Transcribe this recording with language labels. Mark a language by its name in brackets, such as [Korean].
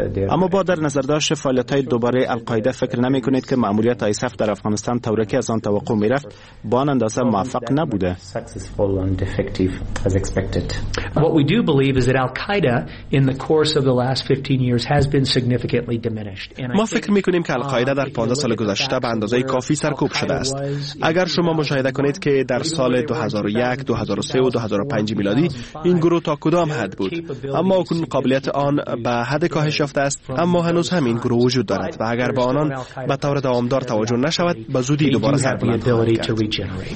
[Persian] اما با در نظر داشت فعالیت‌های دوباره القاعده فکر نمی‌کنید که ماموریت ISAF در افغانستان طوری از آن توقع می‌رفت با آن اندازه موفق نبوده؟ [English] What we do believe is that al-Qaeda in the course of the last 15 years has been significantly diminished. [Persian] ما فکر می‌کنیم که القاعده در 15 سال گذشته به اندازه کافی سرکوب شده است. اگر شما مشاهده کنید که در سال 2001، 2003 و 2005 میلادی این گروه تا کدام حد بود، اما اکنون قابلیت آن به حد کاهش یافته است، اما هنوز همین گروه وجود دارد و اگر به آنان به طور دوامدار توجه نشود به زودی دوباره سر بلند خواهند کرد.